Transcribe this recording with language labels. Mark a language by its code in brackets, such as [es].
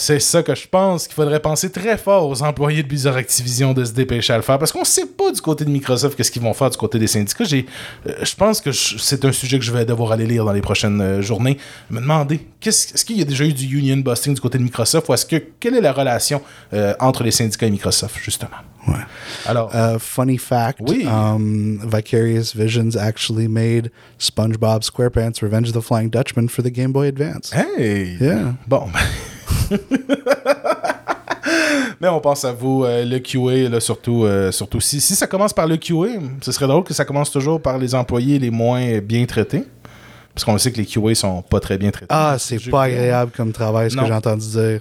[fr] C'est ça que je pense qu'il faudrait penser très fort aux employés de Blizzard Activision de se dépêcher à le faire, parce qu'on sait pas du côté de Microsoft qu'est-ce qu'ils vont faire du côté des syndicats. Je pense que c'est un sujet que je vais devoir aller lire dans les prochaines journées. Me demander, est-ce qu'il y a déjà eu du union busting du côté de Microsoft, ou est-ce que quelle est la relation entre les syndicats et Microsoft, justement? Ouais. Alors, funny fact, oui. [en] Vicarious Visions actually made SpongeBob SquarePants Revenge of the Flying Dutchman for the Game Boy Advance. Hey! Yeah. [fr] Bon. Mais on pense à vous, le QA, là, surtout si ça commence par le QA, ce serait drôle que ça commence toujours par les employés les moins bien traités. Parce qu'on sait que les QA sont pas très bien traités. Ah, c'est pas agréable comme travail, ce que j'ai entendu dire.